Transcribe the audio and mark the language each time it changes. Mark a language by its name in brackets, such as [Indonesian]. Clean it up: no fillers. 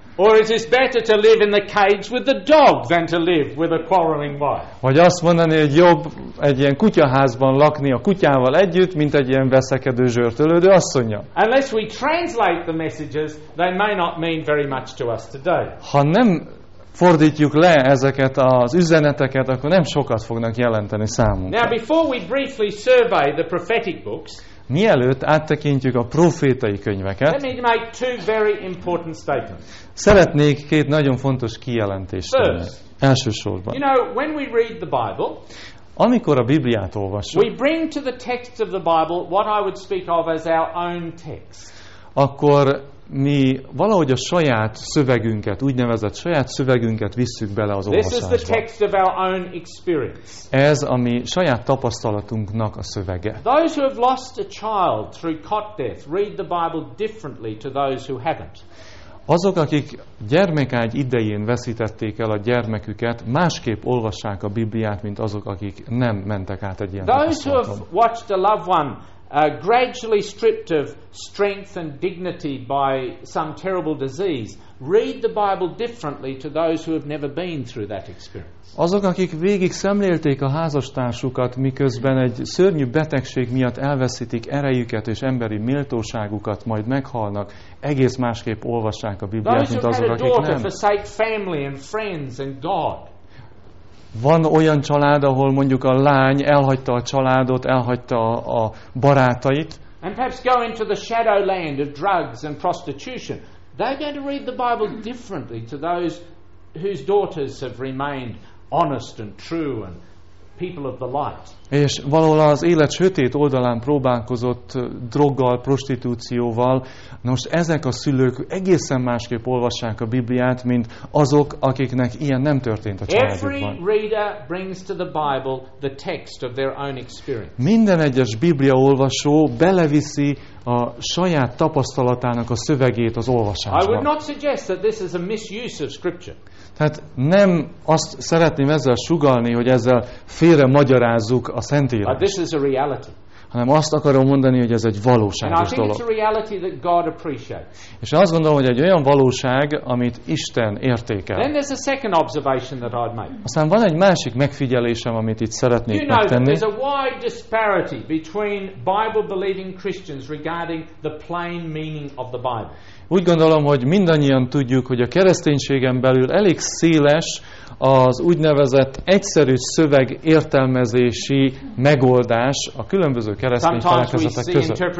[English] Or it is better to live in the cage with the dog than to live with a quarreling wife. [Hungarian] Vagy azt mondani, hogy jobb egy ilyen kutyaházban lakni a kutyával együtt, mint egy ilyen veszekedő, zsörtölődő asszonya. [English] Unless we translate the messages, they may not mean very much to us today. [Hungarian] Ha nem fordítjuk le ezeket az üzeneteket, akkor nem sokat fognak jelenteni számunkra. [English] Now before we briefly survey the prophetic books, [Hungarian] Mielőtt áttekintjük a prófétai könyveket, [English] let me make two very important statements. [Hungarian] Szeretnék két nagyon fontos kijelentést tenni. Elsősorban. [English] You know, when we read the Bible, [Hungarian] amikor a Bibliát olvasunk, [English] we bring to the text of the Bible what I would speak of as our own text. [Hungarian] Akkor mi valahogy a saját szövegünket, úgynevezett saját szövegünket visszük bele az olvasásba. [English] This is the text of our own experience. [Hungarian] Ez a mi saját tapasztalatunknak a szövege. [English] Those who have lost a child through cot death read the Bible differently to those who haven't. [Hungarian] Azok, akik gyermekágy idején veszítették el a gyermeküket, másképp olvassák a Bibliát, mint azok, akik nem mentek át egy ilyen tapasztalaton. [English] Those who have watched a loved one gradually stripped of strength and dignity by some terrible disease, read the Bible differently to those who have never been through that experience. [Hungarian] Azok, akik végig szemlélték a házastársukat, miközben egy szörnyű betegség miatt elveszítik erejüket és emberi méltóságukat, majd meghalnak, egész másképp olvassák a Bibliát, mint azok, akik nem. [English] Those who had a daughter forsake family and friends and God. [Hungarian] Van olyan család, ahol mondjuk a lány elhagyta a családot, elhagyta a barátait. [English] And perhaps go into the shadow land of drugs and prostitution. They're going to read the Bible differently to those whose daughters have remained honest and true and people of the light. [Hungarian] És valahol az élet sötét oldalán próbálkozott droggal, prostitúcióval, nos, ezek a szülők egészen másképp olvassák a Bibliát, mint azok, akiknek ilyen nem történt a családjukban. [English] Every reader brings to the Bible the text of their own experience. [Hungarian] Minden egyes Biblia olvasó beleviszi a saját tapasztalatának a szövegét az olvasásba. [English] I would not suggest that this is a misuse of scripture. [Hungarian] Tehát nem azt szeretném ezzel sugallni, hogy ezzel félre magyarázzuk a Szentírást. [English] But this is a reality. [Hungarian] Hanem azt akarom mondani, hogy ez egy valóságos [English] And I think [Hungarian] dolog. [English] It's a reality that God appreciates. [Hungarian] És azt gondolom, hogy egy olyan valóság, amit Isten értékel. [English] Then there's a second observation that I'd make. [Hungarian] Aztán van egy másik megfigyelésem, amit itt szeretnék [English] you know, [Hungarian] megtenni. [English] There's a wide disparity between Bible-believing Christians regarding the plain meaning of the Bible. [Hungarian] Úgy gondolom, hogy mindannyian tudjuk, hogy a kereszténységen belül elég széles az úgynevezett egyszerű szöveg értelmezési megoldás a különböző keresztény felekezetek között.